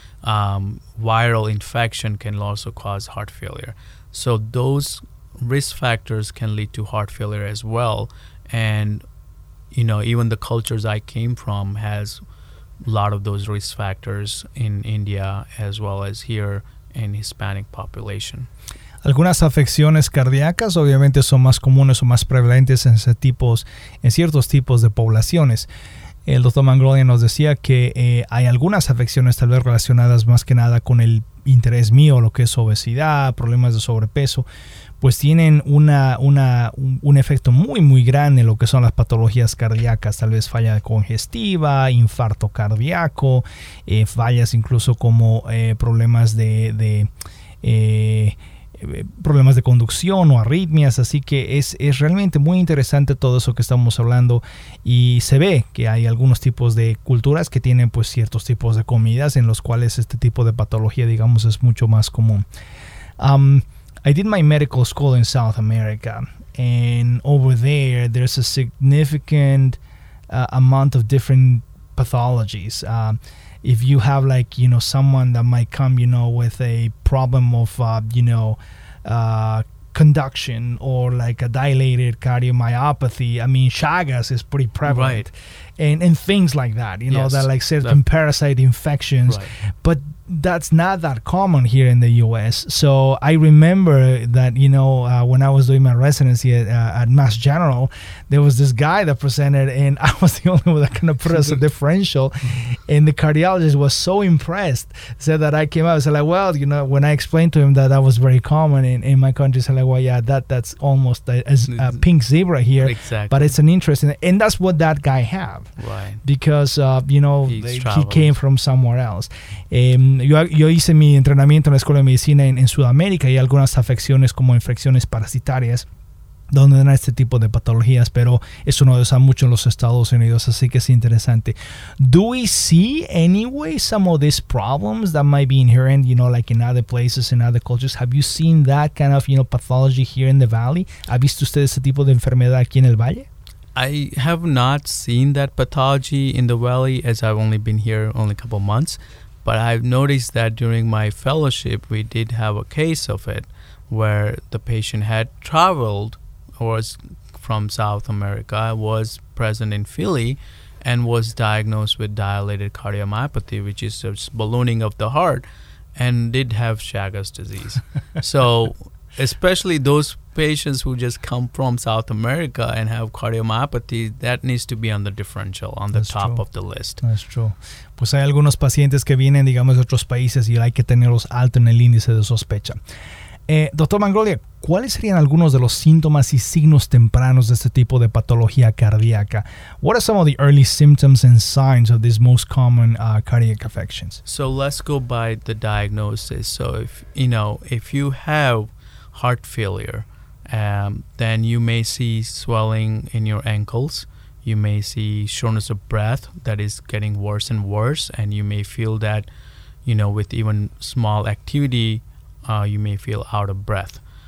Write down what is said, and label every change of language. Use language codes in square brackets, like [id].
[en] Viral infection can also cause heart failure. So those risk factors can lead to heart failure as well. And, you know, even the cultures I came from has a lot of those risk factors in India as well as here in Hispanic population. [es] Algunas afecciones cardíacas obviamente son más comunes o más prevalentes en ese tipos, en ciertos tipos de poblaciones. El doctor Manglonia nos decía que hay algunas afecciones tal vez relacionadas más que nada con el interés mío, lo que es obesidad, problemas de sobrepeso, pues tienen un efecto muy, muy grande en lo que son las patologías cardíacas, tal vez falla congestiva, infarto cardíaco, fallas incluso como problemas de conducción o arritmias. Así que es realmente muy interesante todo eso que estamos hablando, y se ve que hay algunos tipos de culturas que tienen pues ciertos tipos de comidas en los cuales este tipo de patología, digamos, es mucho más común. [en] I did my medical school in South America, and over there there's a significant amount of different pathologies. If you have, like, you know, someone that might come, you know, with a problem of, conduction, or like a dilated cardiomyopathy, I mean, Chagas is pretty prevalent, right. and things like that, you know, yes, that like certain parasite infections, right. But that's not that common here in the U.S. So I remember that, you know, when I was doing my residency at Mass General, there was this guy that presented, and I was the only one that kind of put us a differential. And the cardiologist was so impressed, said that I came out. I said, like, well, you know, when I explained to him that that was very common in my country, said, like, well, yeah, that's almost a pink zebra here. Exactly. But it's an interesting, and that's what that guy have. Right. Because, you know, he came from somewhere else. [es] Yo hice mi entrenamiento en la Escuela de Medicina en Sudamérica, y algunas afecciones como infecciones parasitarias donde dan este tipo de patologías, pero eso no usa mucho en los Estados Unidos, así que es interesante. [en] Do we see anyway some of these problems that might be inherent, you know, like in other places, in other cultures? Have you seen that kind of, you know, pathology here in the Valley? [es] ¿Ha visto usted ese tipo de enfermedad aquí en el Valle? [en] I have not seen that pathology in the valley, as I've only been here only a couple of months. But I've noticed that during my fellowship, we did have a case of it where the patient had traveled or was from South America, was present in Philly, and was diagnosed with dilated cardiomyopathy, which is a ballooning of the heart, and did have Chagas disease. So especially those patients who just come from South America and have cardiomyopathy, that needs to be on the differential, on the top of the list. That's true. [es] Pues hay algunos pacientes que vienen, digamos, de otros países y hay que tenerlos alto en el índice de sospecha. Dr. Mangrolia, ¿cuáles serían algunos de los síntomas y signos tempranos de este tipo de patología cardíaca? [en] What are some of the early symptoms and signs of these most common cardiac affections? So let's go by the diagnosis. So if you know, if you have heart failure, then you may see swelling in your ankles. You may see shortness of breath that is getting worse and worse, and you may feel that, you know, with even small activity, you may feel out of breath.